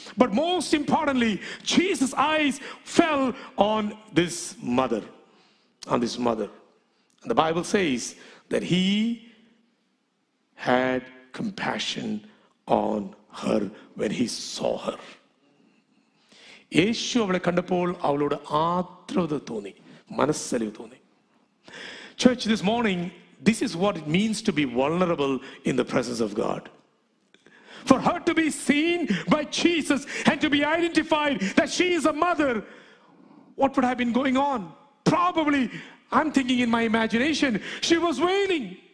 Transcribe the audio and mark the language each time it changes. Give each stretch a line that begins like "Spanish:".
English: But most importantly, Jesus' eyes fell on this mother. On this mother. And the Bible says that he had compassion on her when he saw her.
Malayalam: യേശു അവളെ കണ്ടപ്പോൾ അവളോട് ആത്രുത തോന്നി, മനസ്സലിവ് തോന്നി.
English: Church, this morning, this is what it means to be vulnerable in the presence of God. For her to be seen by Jesus and to be identified that she is a mother, what would have been going on? Probably, I'm thinking in my imagination, she was wailing.